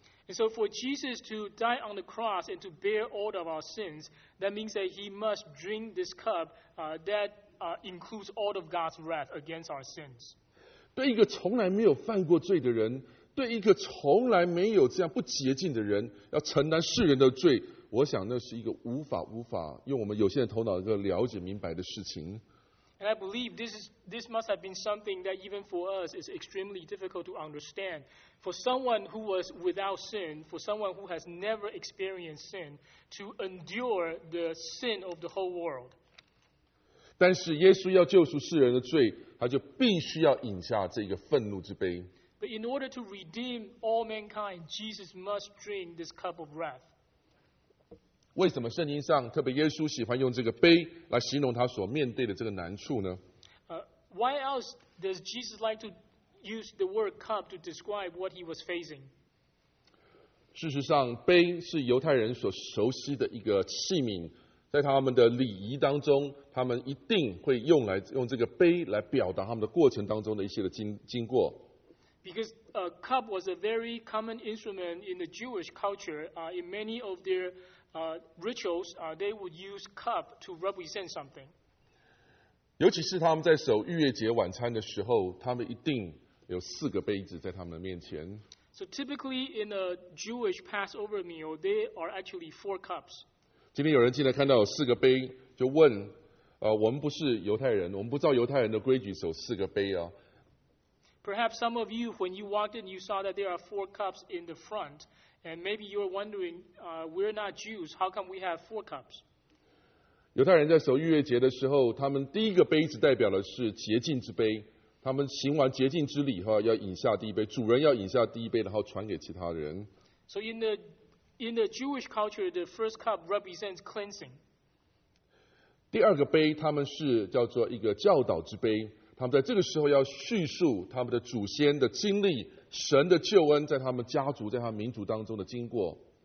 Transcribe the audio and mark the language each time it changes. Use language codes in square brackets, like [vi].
[en] And so for Jesus to die on the cross and to bear all of our sins, that means that he must drink this cup that includes all of God's wrath against our sins. [zh] 对一个从来没有犯过罪的人，对一个从来没有这样不洁净的人，要承担世人的罪，我想那是一个无法用我们有限的头脑一个了解明白的事情。 [en] And I believe this must have been something that even for us is extremely difficult to understand. For someone who was without sin, for someone who has never experienced sin, to endure the sin of the whole world. [zh] 但是耶稣要救赎世人的罪，他就必须要饮下这个愤怒之杯。 [en] But in order to redeem all mankind, Jesus must drink this cup of wrath. [zh] 为什么圣经上特别耶稣喜欢用这个杯来形容他所面对的这个难处呢？ [en] Why else does Jesus like to use the word cup to describe what he was facing? [zh] 事实上，杯是犹太人所熟悉的一个器皿，在他们的礼仪当中，他们一定会用这个杯来表达他们的过程当中的一些的经过。 [en] Because a cup was a very common instrument in the Jewish culture. In many of their rituals, they would use cup to represent something. [zh] 尤其是他们在守逾越节晚餐的时候，他们一定有四个杯子在他们的面前。 [en] So typically in a Jewish Passover meal, there are actually four cups. [zh] 今天有人进来看到有四个杯，就问：我们不是犹太人，我们不照犹太人的规矩守四个杯啊。 [en] Perhaps some of you, when you walked in, you saw that there are four cups in the front, and maybe you're wondering, we're not Jews, how come we have four cups? [zh] 犹太人在守逾越节的时候，他们第一个杯子代表的是洁净之杯，他们行完洁净之礼后，要饮下第一杯，主人要饮下第一杯，然后传给其他人。 [en] So in the Jewish culture, the first cup represents cleansing. [zh] 第二个杯，他们是叫做一个教导之杯。他们在这个时候要叙述他们的祖先的经历，神的救恩在他们家族，在他们民族当中的经过。